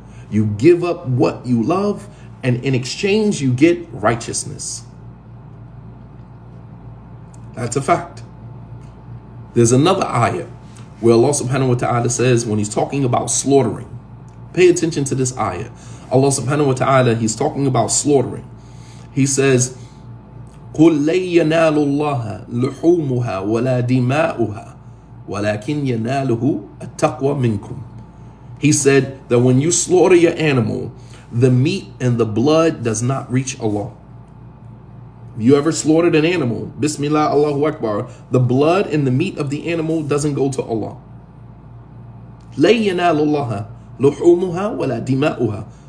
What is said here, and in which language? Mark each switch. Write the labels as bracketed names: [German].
[English] You give up what you love, and in exchange you get righteousness. That's a fact. There's another ayah where Allah subhanahu wa ta'ala says, when he's talking about slaughtering, pay attention to this ayah. Allah subhanahu wa ta'ala, he's talking about slaughtering. He says, [Arabic] قُلْ لَن يَنَالُ اللَّهَ لُحُومُهَا وَلَا دِمَاؤُهَا وَلَكِنْ يَنَالُهُ التَّقْوَى مِنْكُمْ. [English] He said that when you slaughter your animal, the meat and the blood does not reach Allah. You ever slaughtered an animal, Bismillah, Allahu Akbar, the blood and the meat of the animal doesn't go to Allah. [Arabic] لَنْ يَنَالُ اللَّهَ لُحُومُهَا وَلَا دِمَاؤُهَا.